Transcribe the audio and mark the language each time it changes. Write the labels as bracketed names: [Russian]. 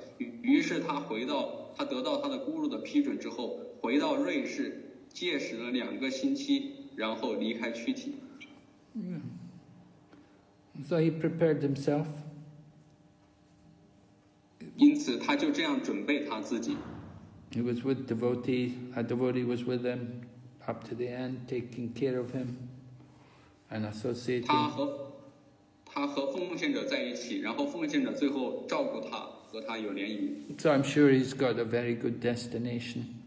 [Chinese] 于是他回到他得到他的孤乳的批准之后，回到瑞士戒食了2个星期，然后离开躯体。 [English] So he prepared himself. [Chinese] 因此他就这样准备他自己。 [English] He was with devotees. A devotee was with him up to the end, taking care of him and associating. [Chinese] 他和奉献者在一起，然后奉献者最后照顾他。 [English] So I'm sure he's got a very good destination.